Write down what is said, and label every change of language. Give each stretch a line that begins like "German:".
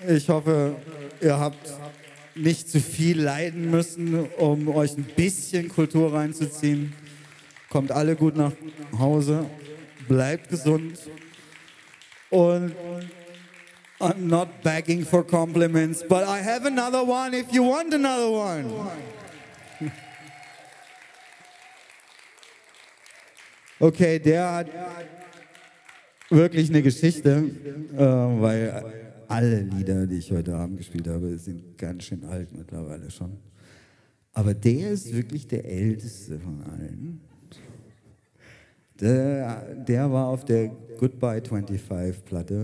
German: Ich hoffe, ihr habt nicht zu viel leiden müssen, um euch ein bisschen Kultur reinzuziehen. Kommt alle gut nach Hause. Bleibt gesund.
English: Und I'm not begging for compliments, but I have another one if you want another one.
German: Okay, der hat wirklich eine Geschichte, weil alle Lieder, die ich heute Abend gespielt habe, sind ganz schön alt mittlerweile schon. Aber der ist wirklich der älteste von allen. Der war auf der Goodbye 25 Platte.